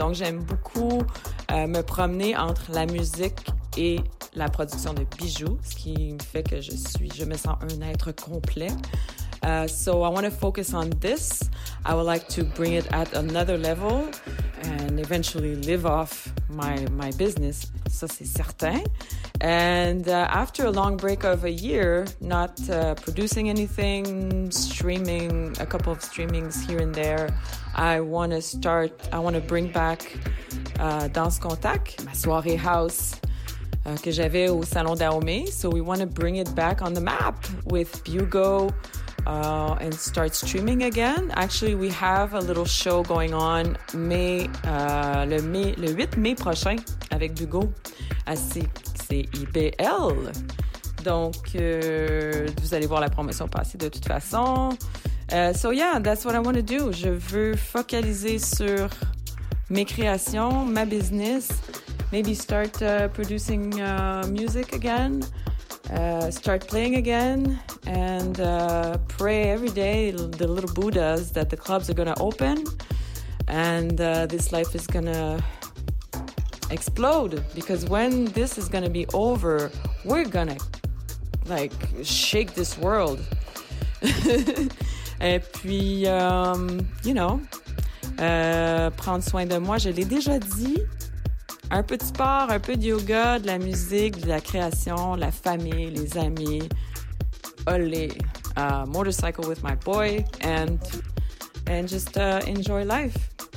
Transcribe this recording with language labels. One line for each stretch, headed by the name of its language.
French: Donc j'aime beaucoup me promener entre la musique et la production de bijoux, ce qui me fait que je me sens un être complet.
English: So I want to focus on this. I would like to bring it at another level and eventually live off my business.
French: Ça, c'est certain.
English: And after a long break of a year, not producing anything, streaming, a couple of streamings here and there, I want to bring back Danse Contact,
French: ma soirée house que j'avais au Salon d'Aomé.
English: So we want to bring it back on the map with Bugo and start streaming again. Actually, we have a little show going on
French: le 8 mai prochain avec Bugo à CIBL. Donc, vous allez voir la promotion passer de toute façon.
English: So yeah, that's what I want to do.
French: Je veux focaliser sur mes créations, ma business.
English: Maybe start producing music again, start playing again, and pray every day, the little Buddhas, that the clubs are going to open and this life is going to explode. Because when this is going to be over, we're going to, like, shake this world.
French: Et puis,
English: you know,
French: prendre soin de moi, je l'ai déjà dit. Un peu de sport, un peu de yoga, de la musique, de la création, la famille, les amis.
English: Olé, Motorcycle with My Boy, and just enjoy life.